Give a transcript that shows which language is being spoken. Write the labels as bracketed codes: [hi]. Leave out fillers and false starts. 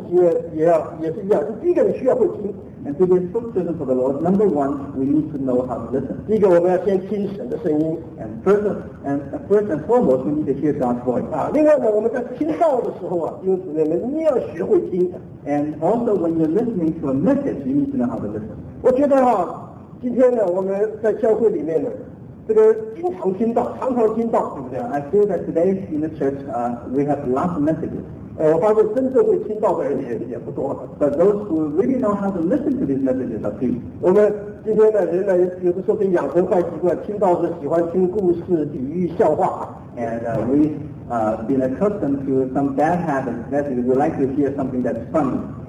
[zh] 今天我们在做神的出口事情也是一样，就第一个你需要会听。 [en] And to be a spokesperson for the Lord, number one, we need to know how to listen. [zh] 第一个我们要先听神的声音。 [en] And first and foremost, we need to hear God's voice. [zh] 另外呢，我们在听到的时候啊，弟兄姊妹们，你也要学会听。 [en] And also when you're listening to a message, you need to know how to listen. [zh] 我觉得啊。今天呢，我们在教会里面呢，这个经常听到，对不对？ [en] I feel that today in the church, we have lots of messages. [zh] 我发现真正会听到的人也不多。 [en] But those who really know how to listen to these messages are few. [zh] 我们今天呢，人呢，有的时候会养成坏习惯，听到是喜欢听故事、比喻、笑话。 [en] And we've been accustomed to some bad habits. That is, we like to hear something that's funny.